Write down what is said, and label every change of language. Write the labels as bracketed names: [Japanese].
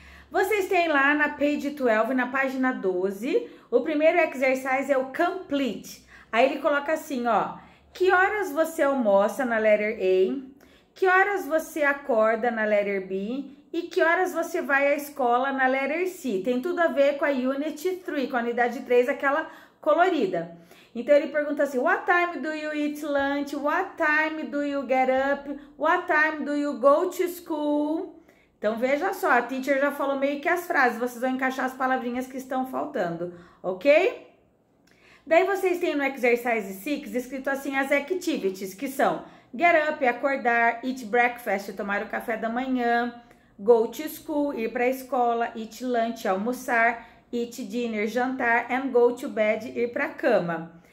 [Portuguese] Vocês têm lá na page 12, na página 12, o primeiro exercise é o complete. Aí ele coloca assim, ó, que horas você almoça na letter A, que horas você acorda na letter B e que horas você vai à escola na letter C. Tem tudo a ver com a unit 3, com a unidade 3, aquela colorida. Então ele pergunta assim, [English] what time do you eat lunch, what time do you get up, what time do you go to school? [Portuguese] Então veja só, a teacher já falou meio que as frases, vocês vão encaixar as palavrinhas que estão faltando, ok? Daí vocês têm no exercise 6 escrito assim as activities, que são get up, acordar, eat breakfast, tomar o café da manhã, go to school, ir para a escola, eat lunch, almoçar, eat dinner, jantar, and go to bed, ir para a cama.